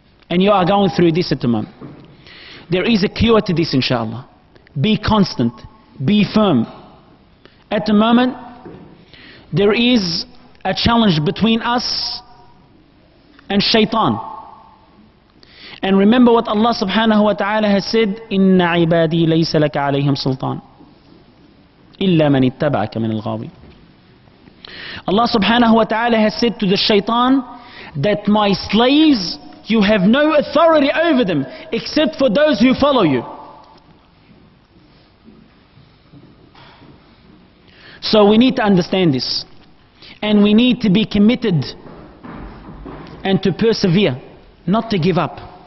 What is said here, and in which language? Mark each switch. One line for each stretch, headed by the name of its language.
English: And you are going through this at the moment. There is a cure to this, inshallah. Be constant. Be firm. At the moment, there is a challenge between us and shaitan. And remember what Allah subhanahu wa ta'ala has said,
Arabic: إِنَّ عِبَادِي لَيْسَ لَكَ عَلَيْهِمْ سُلْطَانِ إِلَّا مَنِ اتَّبَعَكَ مِنَ الْغَاوِينَ.
English: Allah subhanahu wa ta'ala has said to the shaitan that my slaves, you have no authority over them except for those who follow you. So we need to understand this, and we need to be committed and to persevere, not to give up.